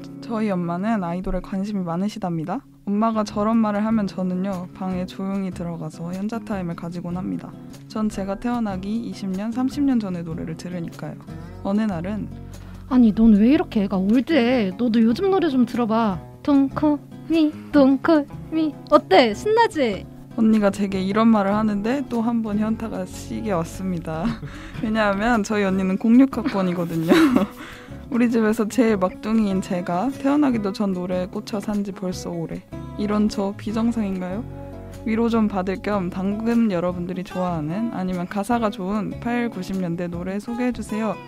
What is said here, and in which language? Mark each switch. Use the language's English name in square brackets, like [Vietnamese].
[Korean] 저희 엄마는 아이돌에 관심이 많으시답니다. 엄마가 저런 말을 하면 저는요 방에 조용히 들어가서 연자 타임을 가지곤 합니다. 전 제가 태어나기 20년 30년 전의 노래를 들으니까요. 어느 날은 아니 넌 왜 이렇게 애가 올드해. 너도 요즘 노래 좀 들어봐. [English] Don't call me, don't call me. [Korean] 어때? 신나지? 언니가 제게 이런 말을 하는데 또 한 번 현타가 시게 왔습니다. 왜냐하면 저희 언니는 06학번이거든요. 우리 집에서 제일 막둥이인 제가 태어나기도 전 노래에 꽂혀 산 지 벌써 오래. 이런 저 비정상인가요? 위로 좀 받을 겸 당근 여러분들이 좋아하는 아니면 가사가 좋은 8, 90년대 노래 소개해주세요.